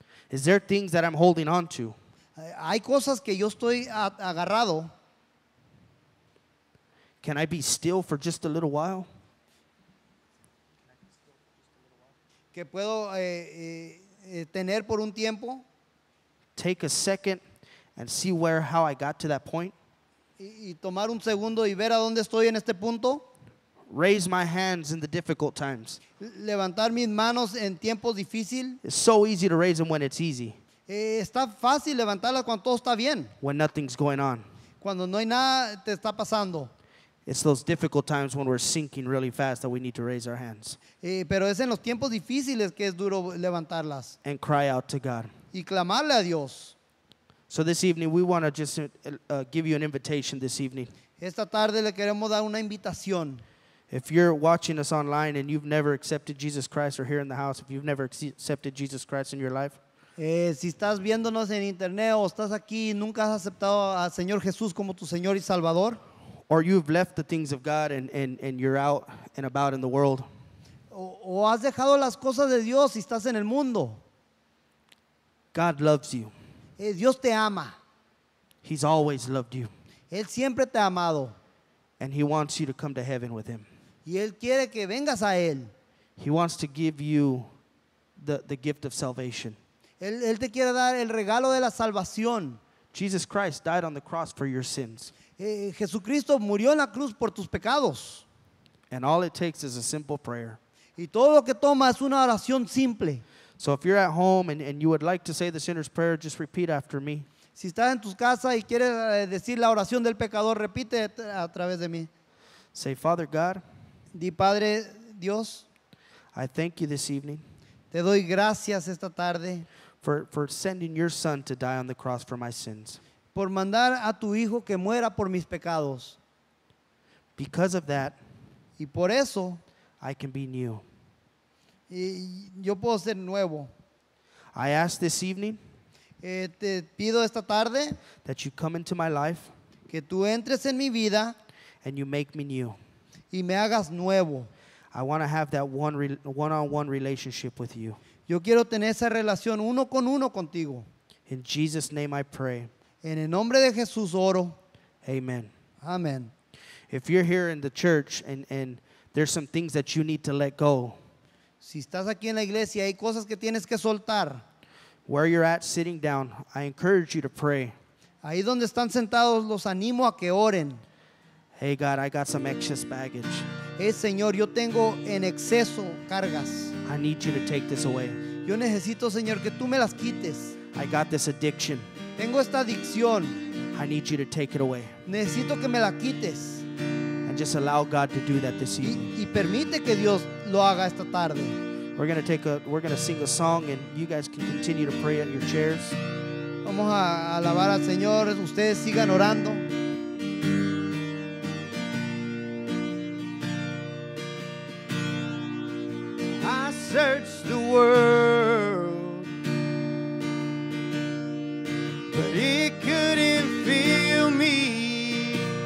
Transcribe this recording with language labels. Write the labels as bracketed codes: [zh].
[en] Is there things that I'm holding on to? [es] Hay cosas que yo estoy agarrado. [en] Can I be still for just a little while? [es] Que puedo tener por un tiempo. [en] Take a second and see how I got to that point. [es] Y tomar un segundo y ver a dónde estoy en este punto. [en] raise my hands in the difficult times. [es] Levantar mis manos en tiempos difícil. [en] It's so easy to raise them when it's easy. [es] Está fácil levantarlas cuando todo está bien. [en] When nothing's going on. [es] Cuando no hay nada te está pasando. [en] It's those difficult times when we're sinking really fast that we need to raise our hands. [es] Pero es en los tiempos difíciles que es duro levantarlas. [en] And cry out to God. [es] Y clamarle a Dios. [en] So this evening we want to just give you an invitation this evening. [es] Esta tarde le queremos dar una invitación. [en] If you're watching us online and you've never accepted Jesus Christ, or here in the house, if you've never accepted Jesus Christ in your life, [es] si estás viéndonos en internet o estás aquí y nunca has aceptado al Señor Jesús como tu Señor y Salvador, [en] or you've left the things of God and you're out and about in the world, [es] o has dejado las cosas de Dios y estás en el mundo, [en] God loves you. [es] Dios te ama. [en] He's always loved you. [es] Él siempre te ha amado. [en] And he wants you to come to heaven with him. [es] Y él quiere que vengas a él. [en] He wants to give you the gift of salvation. [es] Él te quiere dar el regalo de la salvación. [en] Jesus Christ died on the cross for your sins. [es] Jesucristo murió en la cruz por tus pecados. [en] And all it takes is a simple prayer. [es] Y todo lo que toma es una oración simple. [en] So if you're at home and you would like to say the sinner's prayer, just repeat after me. [es] Si estás en tus casas y quieres decir la oración del pecador, repite a través de mí. [en] Say, Father God. [es] Di, Padre Dios. [en] I thank you this evening. [es] Te doy gracias esta tarde. [en] For sending your son to die on the cross for my sins. [es] Por mandar a tu hijo que muera por mis pecados. [en] Because of that. [es] Y por eso. [en] I can be new. [es] Y yo puedo ser nuevo. [en] I ask this evening. [es] Te pido esta tarde [en] that you come into my life, [es] que tú entres en mi vida, [en] and you make me new, [es] y me hagas nuevo. [en] I want to have that one-on-one relationship with you. [es] Yo quiero tener esa relación uno con uno contigo. [en] In Jesus' name I pray. [es] En el nombre de Jesús oro. [en] Amen. [es] Amen. [en] If you're here in the church and there's some things that you need to let go, [es] si estás aquí en la iglesia hay cosas que tienes que soltar. [en] Where you're at sitting down, I encourage you to pray. [es] Ahí donde están sentados, los animo a que oren. [en] Hey God, I got some excess baggage. [es] Hey, Señor, yo tengo en exceso cargas. [en] I need you to take this away. [es] Yo necesito, Señor, que tú me las quites. [en] I got this addiction. [es] Tengo esta adicción. [en] I need you to take it away. [es] Necesito que me la quites. [en] And just allow God to do that this evening. [es] Y permite que Dios lo haga esta tarde. [en] We're going to sing a song and you guys can continue to pray on your chairs. [es] Vamos a alabar al Señor, ustedes sigan orando. [en] I searched the world, but it couldn't feel me.